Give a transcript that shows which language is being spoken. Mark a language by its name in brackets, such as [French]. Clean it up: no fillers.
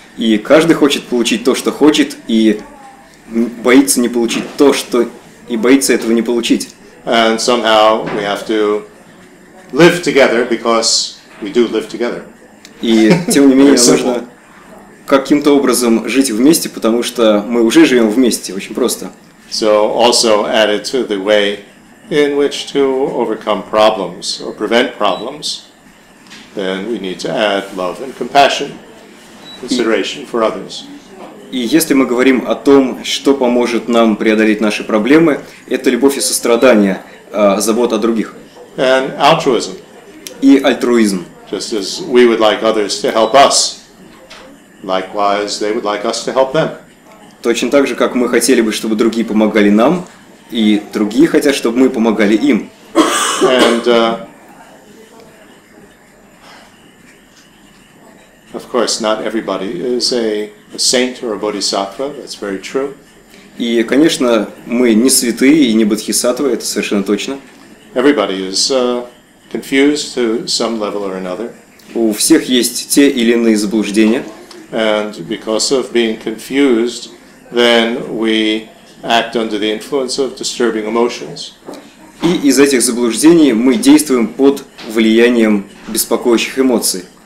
[Russian] И каждый хочет получить то, что хочет, и боится не получить то, что... и боится этого не получить. [English] And somehow we have to live together because we do live together. [Russian] И тем не менее нужно каким-то образом жить вместе, потому что мы уже живем вместе, очень просто. [English] So also added to the way in which to overcome problems or prevent problems, then we need to add love and compassion, consideration for others. [Russian] И если мы говорим о том, что поможет нам преодолеть наши проблемы, это любовь и сострадание, забота о других. [English] And altruism. [Russian] И альтруизм. [English] Just as we would like others to help us, likewise they would like us to help them. [Russian] Точно так же, как мы хотели бы, чтобы другие помогали нам, и другие хотят, чтобы мы помогали им. [English] And, of course, not everybody is a saint or a bodhisattva. That's very true. [Russian] И, конечно, мы не святые и не бодхисаттвы. Это совершенно точно. [English] Everybody is confused to some level or another. [Russian] У всех есть те или иные заблуждения. [English] And because of being confused, then we act under the influence of disturbing emotions. [Russian] И из этих заблуждений мы действуем под влиянием беспокоящих эмоций.